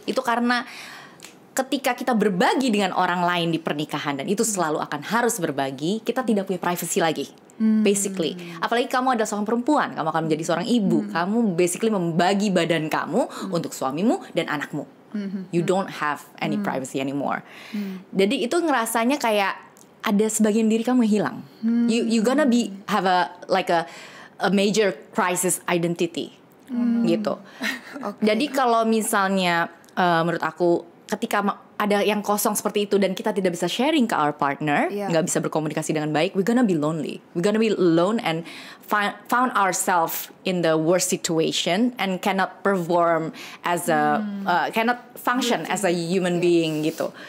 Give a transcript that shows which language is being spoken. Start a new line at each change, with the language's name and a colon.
Indonesian: Itu karena ketika kita berbagi dengan orang lain di pernikahan, dan itu selalu akan harus berbagi, kita tidak punya privacy lagi. Basically, apalagi kamu adalah seorang perempuan, kamu akan menjadi seorang ibu. Kamu basically membagi badan kamu untuk suamimu dan anakmu.
English: You don't have any privacy anymore.
Indonesian: Jadi itu ngerasanya kayak ada sebagian diri kamu yang hilang.
English: You gonna be have a major crisis identity.
Indonesian: Gitu. Jadi kalau misalnya menurut aku ketika ada yang kosong seperti itu dan kita tidak bisa sharing ke
English: our partner,
Indonesian: nggak bisa berkomunikasi dengan baik,
English: we're gonna be lonely, we're gonna be alone and found ourselves in the worst situation and cannot perform as a cannot function as a human being
Indonesian: gitu.